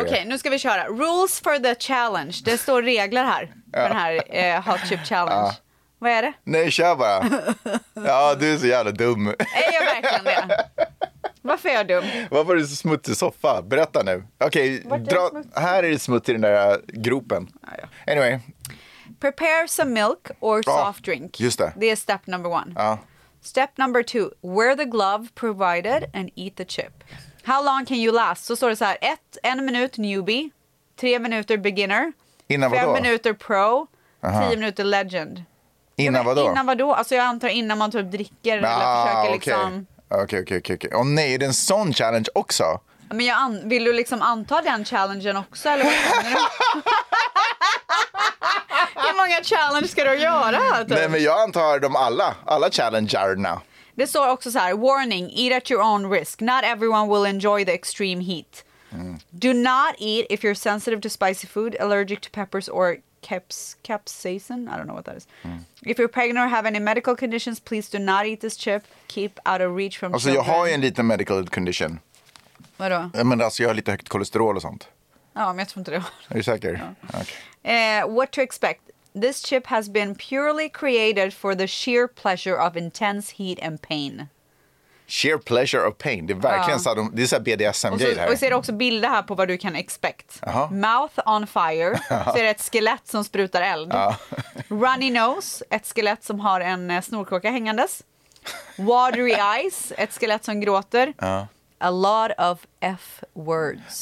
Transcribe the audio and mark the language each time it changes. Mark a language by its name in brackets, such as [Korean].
[Swedish] er. Okej, nu ska vi köra. [English] Rules for the challenge. [Swedish] Det står regler här. För den här hot chip challenge. Vad är det? Nej, kör bara. Ja, du är så jävla dum. Är jag verkligen det? Varför är jag dum? Varför är du så smutsig soffa? Berätta nu. Okej, här är det smutsig i den där gropen. [English] Anyway. Prepare some milk or soft drink. [Swedish] Just det. Det är [English] step number one. [Swedish] Ja. [English] Step number two. Wear the glove provided and eat the chip. How long can you last? [Swedish] Så står det så här. En minut newbie. 3 minuter beginner. Innan vadå? 5 minuter pro. Aha. 10 minuter legend. Innan vadå? Innan vadå? Alltså jag antar innan man typ dricker eller försöker liksom... Okej. Och nej, är det en sån challenge också? Men jag vill du liksom anta den challengen också? Eller vad menar du? Hur många challenge ska du göra? Typ? Nej, men jag antar dem alla. Alla challengerna. Det står också så här. [English] Warning, eat at your own risk. Not everyone will enjoy the extreme heat. Mm. Do not eat if you're sensitive to spicy food, allergic to peppers or... capsaicin? I don't know what that is. Mm. If you're pregnant or have any medical conditions, please do not eat this chip. Keep out of reach from [Swedish] alltså, [English] children. [Swedish] Alltså jag har ju en liten medical condition. Vadå? Men alltså jag har lite högt kolesterol och sånt. Ja, men jag tror inte det. Är du säker? Ja. [English] Okay. What to expect? This chip has been purely created for the sheer pleasure of intense heat and pain. Sheer pleasure of pain. [Swedish] Det är verkligen så här, det är så här BDSM-grej det här. Och så är det också bilder här på vad du kan expect. Uh-huh. [English] Mouth on fire. [Swedish] Så är det ett skelett som sprutar eld. [English] Runny nose. [Swedish] Ett skelett som har en snorkråka hängandes. [English] Watery eyes. [Swedish] Ett skelett som gråter. [English] A lot of F-words.